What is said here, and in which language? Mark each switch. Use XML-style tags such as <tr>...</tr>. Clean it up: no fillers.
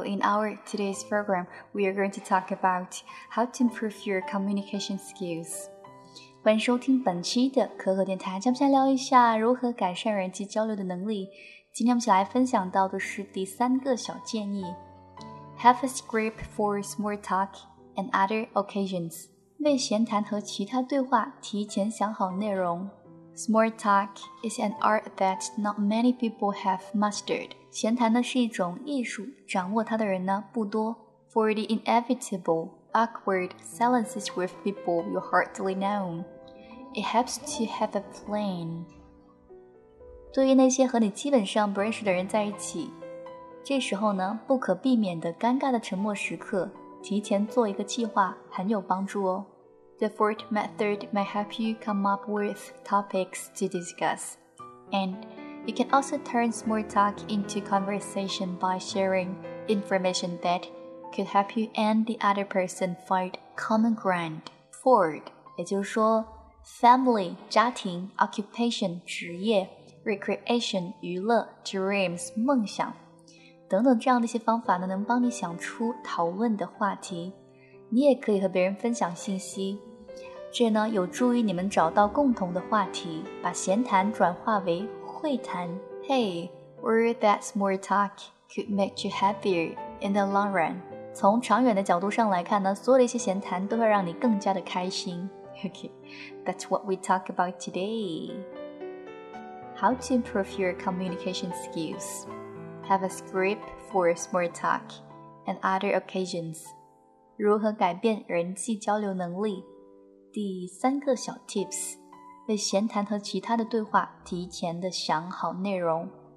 <en>In our today's program, we are going to talk about how to improve your communication skills.</en> <zh>欢迎收听本期的可可电台，接下来聊一下如何改善人际交流的能力。今天我们一起来分享到的是第三个小建议。</zh> <en>Have a script for small talk and other occasions.</en> <zh>为闲谈和其他对话提前想好内容。</zh> <en>Small talk is an art that not many people have mastered.</en> <zh>闲谈呢是一种艺术，掌握它的人呢不多。</zh> <en>For the inevitable awkward silences with people you hardly know, it helps to have a plan.</en> <zh>对于那些和你基本上不认识的人在一起，这时候呢不可避免的尴尬的沉默时刻，提前做一个计划很有帮助哦。</zh> <en>The fourth method may help you come up with topics to discuss. And you can also turn small talk into conversation by sharing information that could help you and the other person find common ground.</en> <zh>Fourth, 也就是说 family, 家庭 occupation, 职业 recreation, 娱乐 dreams, 梦想等等这样的一些方法呢能帮你想出讨论的话题。你也可以和别人分享信息。这呢有助于你们找到共同的话题，把闲谈转化为会谈。</zh> <en>Hey, worry that small talk could make you happier in the long run.</en> <zh>从长远的角度上来看呢，所有的一些闲谈都会让你更加的开心。</zh> <en>Okay, that's what we talk about today. How to improve your communication skills. Have a script for small talk and other occasions.</en> <zh>如何改变人际交流能力。第三个小 tips， 为闲谈和其他的对话提前的想好内容。</zh>